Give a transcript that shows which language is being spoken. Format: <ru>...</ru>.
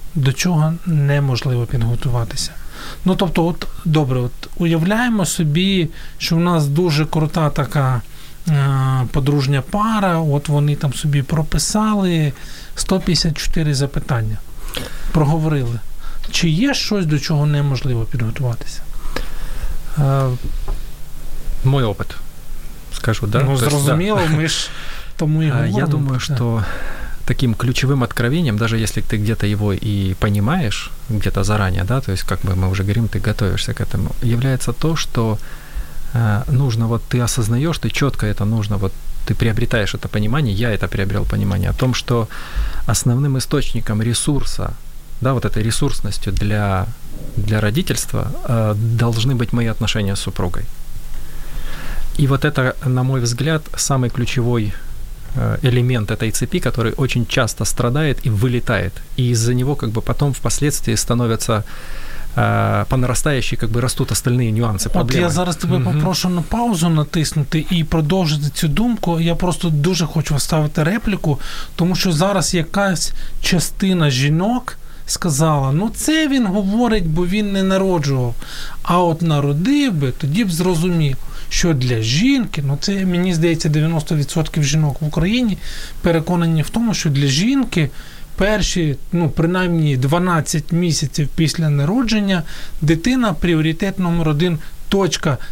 <uk>До чого неможливо підготуватися? Ну, тобто, от, добре, от уявляємо собі, що в нас дуже крута така подружня пара, от вони там собі прописали 154 запитання, проговорили. Чи є щось, до чого неможливо підготуватися?</uk> <ru>Мой опыт, скажу, да?</ru> <uk>Ну, зрозуміло, ми ж тому і говоримо.</uk> <ru>Я думаю, що таким ключевым откровением, даже если ты где-то его и понимаешь, где-то заранее, да, то есть как бы мы уже говорим, ты готовишься к этому, является то, что нужно, вот ты осознаешь, ты четко это нужно, вот ты приобретаешь это понимание, я это приобрел понимание, о том, что основным источником ресурса, да, вот этой ресурсностью для родительства должны быть мои отношения с супругой. И вот это, на мой взгляд, самый ключевой элемент этой цепи, который очень часто страдает и вылетает. И из-за него как бы потом впоследствии становятся по нарастающей, как бы растут остальные нюансы, проблемы.</ru> <uk>От я зараз тебе попрошу на паузу натиснути и продолжить эту думку. Я просто дуже хочу вставити репліку, тому що зараз якась частина жінок сказала, ну це він говорить, бо він не народжував. А от народив би, тоді б зрозумів, що для жінки, ну це, мені здається, 90% жінок в Україні переконані в тому, що для жінки перші, ну принаймні 12 місяців після народження, дитина пріоритет номер один, точка.</uk>